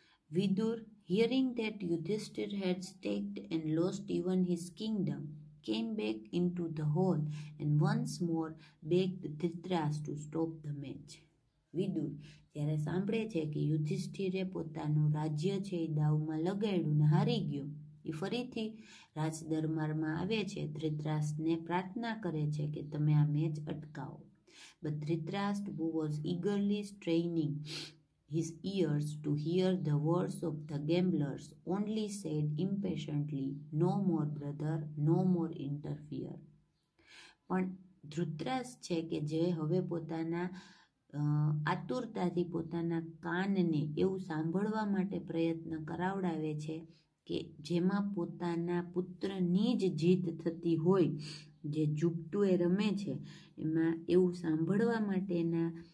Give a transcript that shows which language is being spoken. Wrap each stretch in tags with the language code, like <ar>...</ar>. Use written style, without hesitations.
<en>Vidura, hearing that Yudhishthira had staked and lost even his kingdom, came back into the hall and once more begged Dhritarashtra to stop the match.</en> <gu>Vidur જ્યારે સાંભળે છે કે યુધિષ્ઠિરે પોતાનું રાજ્ય છે એ દાવમાં લગાડ્યું ને હારી ગયો, એ ફરીથી રાજદરબારમાં આવે છે. ધૃતરાષ્ટ્રને પ્રાર્થના કરે છે કે તમે આ મેચ અટકાવો.</gu> <en>But Dhritarashtra who was eagerly straining his ears to hear the words of the gamblers only said impatiently, no more brother, no more interfere.</en> <gu>પણ ધૃતરાષ્ટ્ર છે કે જે હવે પોતાના આતુરતાથી પોતાના કાનને એવું સાંભળવા માટે પ્રયત્ન કરાવડાવે છે કે જેમાં પોતાના પુત્રની જ જીત થતી હોય, જે જુપટુ એ રમે છે એમાં, એવું સાંભળવા માટેના</gu>